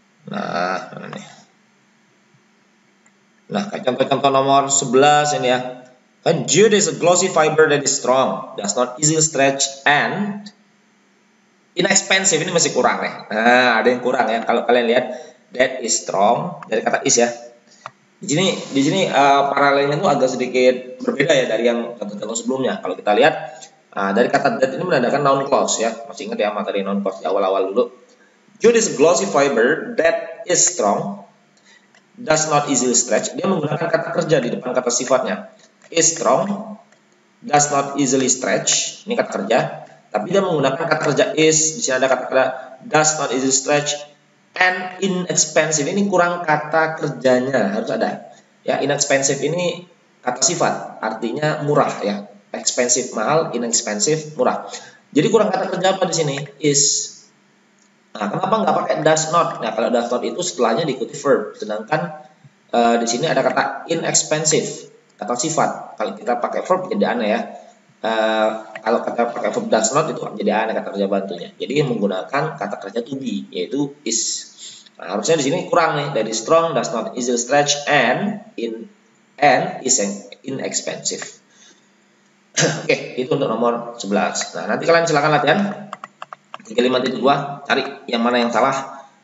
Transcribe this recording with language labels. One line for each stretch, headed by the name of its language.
Indonesian: Nah, mana nih? Nah, contoh-contoh nomor 11 ini ya.
English: Kan jute is a glossy fiber that is strong, does not easily stretch and inexpensive.
Indonesian: Ini masih kurang ya. Nah, ada yang kurang ya. Kalau kalian lihat
English: that is strong
Indonesian: dari kata is ya. Di sini paralelnya itu agak sedikit berbeda ya dari yang contoh-contoh sebelumnya. Kalau kita lihat dari kata that ini menandakan noun clause ya. Masih ingat ya materi noun clause di awal-awal dulu.
English: Jute is a glossy fiber that is strong, does not easily stretch.
Indonesian: Dia menggunakan kata kerja di depan kata sifatnya.
English: Is strong, does not easily stretch.
Indonesian: Ini kata kerja. Tapi dia menggunakan kata kerja is. Di sini ada kata kerja
English: does not easily stretch and inexpensive.
Indonesian: Ini kurang kata kerjanya, harus ada. Ya, inexpensive ini kata sifat, artinya murah ya. Expensive mahal, inexpensive murah. Jadi kurang kata kerja apa di sini? Is. Nah, kenapa nggak pakai does not? Nah, kalau does not itu setelahnya diikuti verb. Sedangkan di sini ada kata inexpensive, kata sifat. Kalau kita pakai verb jadi aneh ya. Kalau kita pakai verb does not itu jadi aneh kata kerja bantunya. Jadi menggunakan kata kerja to be, yaitu is. Nah, harusnya di sini kurang nih.
English: Dari strong, does not easily stretch, and is inexpensive.
Indonesian: Oke, itu untuk nomor 11. Nah, nanti kalian silakan latihan. 3, 5, 2, cari yang mana yang salah.